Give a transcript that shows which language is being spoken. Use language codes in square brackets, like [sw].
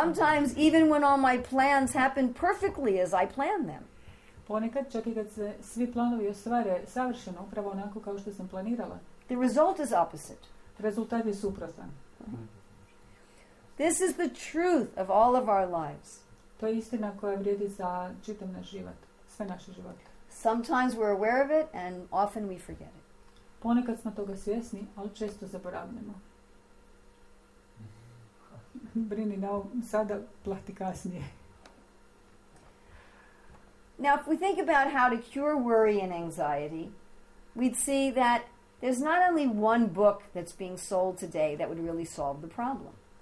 [en] Sometimes even when all my plans happen perfectly as I plan them. [hr] Ponekad čak i kad se svi planovi ostvare savršeno, upravo onako kao što sam planirala. [en] The result is opposite. [hr] Rezultat je suprotan. [en] This is the truth of all of our lives. [hr] To je istina koja vrijedi za čitav naš život, sve naše živote. [en] Sometimes we're aware of it and often we forget it. [hr] Ponekad smo toga svjesni, ali često zaboravljamo. Brini na ovom, sada plati kasnije. [en] Now, if we think about how to cure worry and anxiety, we'd see that there's not only one book that's being sold today that would really solve the problem.